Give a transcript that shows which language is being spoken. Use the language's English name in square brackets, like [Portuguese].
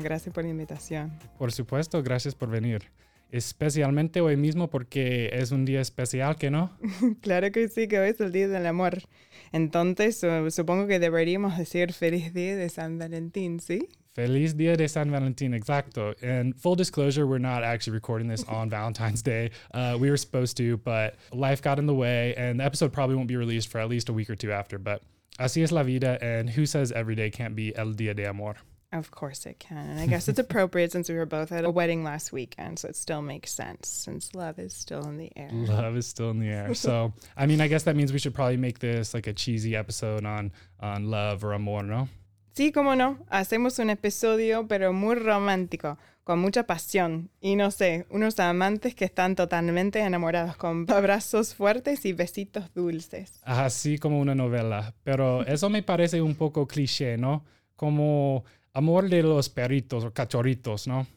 [Spanish] Gracias por la invitación. Por supuesto, gracias por venir. Especialmente hoy mismo porque es un día especial, ¿qué no? Claro que sí, que hoy es el Día del Amor. Entonces, supongo que deberíamos decir Feliz Día de San Valentín, ¿sí? Feliz Día de San Valentín, exacto. [English] And full disclosure, we're not actually recording this on Valentine's Day. We were supposed to, but life got in the way and the episode probably won't be released for at least a week or two after, but... [Spanish] Así es la vida, [English] and who says every day can't be [Spanish] el día de amor? [English] Of course it can, and I guess it's appropriate since we were both at a wedding last weekend, so it still makes sense, since love is still in the air. Love is still in the air. So, I mean, I guess that means we should probably make this like a cheesy episode on love or amor, ¿no? [Spanish] Sí, cómo no. Hacemos un episodio, pero muy romántico, con mucha pasión. Y no sé, unos amantes que están totalmente enamorados, con abrazos fuertes y besitos dulces. Así como una novela. Pero eso me parece un poco cliché, ¿no? Como amor de los perritos o cachorritos, ¿no?